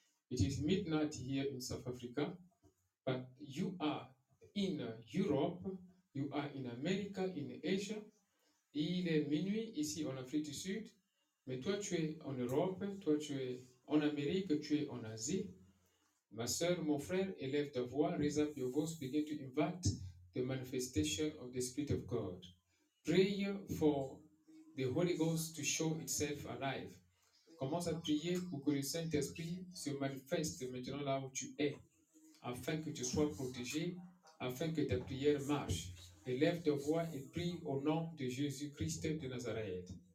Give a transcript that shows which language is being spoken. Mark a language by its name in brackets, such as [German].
[English] It is midnight here in South Africa, but you are in Europe. You are in America, in Asia. [French] Il est minuit ici en Afrique du Sud. Mais toi, tu es en Europe. Toi, tu es en Amérique. Tu es en Asie. Ma soeur, mon frère, élève ta voix. [English] Raise up your voice. Begin to invite the manifestation of the Spirit of God. Pray for the Holy Ghost to show itself alive. [French] Commence à prier pour que le Saint-Esprit se manifeste maintenant là où tu es, afin que tu sois protégé, afin que ta prière marche. Élève ta voix et prie au nom de Jésus-Christ de Nazareth.